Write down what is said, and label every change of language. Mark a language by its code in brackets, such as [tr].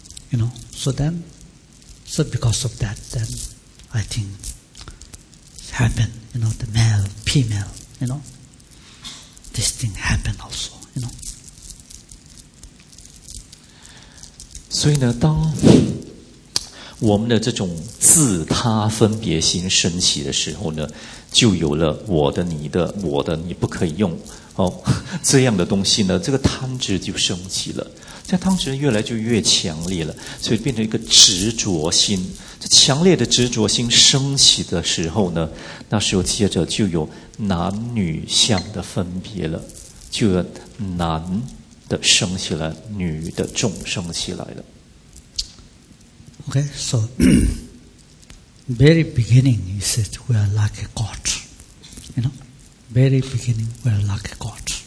[en] You know, so because of that, then I think happen, you know, the male, female, you know, this thing happen also, you know. [zh] 所以呢，当我们的这种自他分别心升起的时候呢，就有了我的、你的、我的你不可以用哦，这样的东西呢，这个贪执就升起了。在当时越来就越强烈了，所以变成一个执着心。这强烈的执着心升起的时候呢，那时候接着就有男女相的分别了，就有男的升起来，女的众生起来了。 [en] Okay, so very beginning, he said, we are like a god. You know, very beginning, we are like a god.